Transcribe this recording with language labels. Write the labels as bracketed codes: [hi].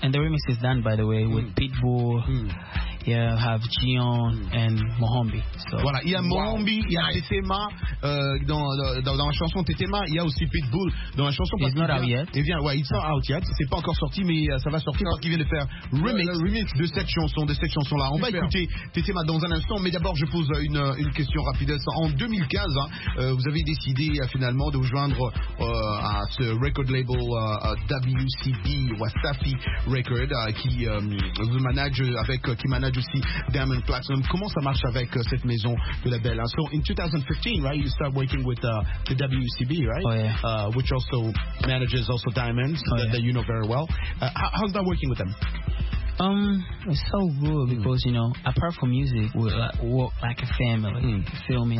[en] And the remix is done, by the way, with Pitbull. Mm. Yeah, I have Gion and Mohambi. So. [fr] Voilà, il y a Mohambi, il y a Tetema dans la chanson Tetema. Il y a aussi Pitbull dans la chanson. [en] It's not out yet. It's not out yet. [fr] C'est pas encore sorti, mais ça va sortir parce qu'il vient de faire remix de cette chanson, là. On va écouter Tetema dans un instant, mais d'abord je pose une question rapide. En 2015, vous avez décidé finalement de vous joindre à ce record label WCB, Wasafi Record, qui manage aussi Diamond Platinum. Comment ça marche avec cette maison de label? [en] So in 2015, right, you start working with the WCB, right? Oh, yeah. Which also manages also Diamonds, that you know very well. How's that working with them? It's so good because, you know, apart from music, we're like a family. Mm. You feel me?